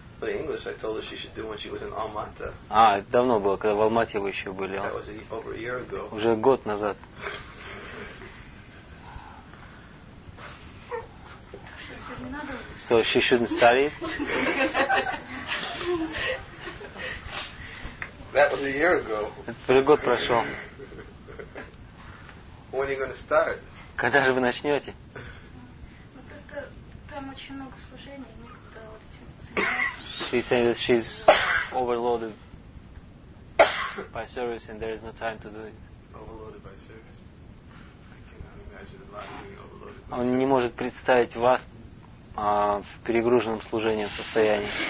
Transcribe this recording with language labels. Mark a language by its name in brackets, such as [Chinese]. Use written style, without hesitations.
[English] The English I told her she should do when she was in Almaty. [Russian] А давно было, когда в Алмате вы еще были. [English] That was over a year ago. [Russian] Уже год назад. [English] So she shouldn't study it? That was a year ago. [Russian] Уже год прошел. [English] When are you going to start? [Russian] Когда же вы начнете? Ну просто там очень много служений, некогда вот этим заниматься. [English] She said that she's overloaded by service and there is no time to do it. Overloaded by service. I cannot imagine a lot of being overloaded. [Russian] Он не может представить вас в перегруженном служением состоянии.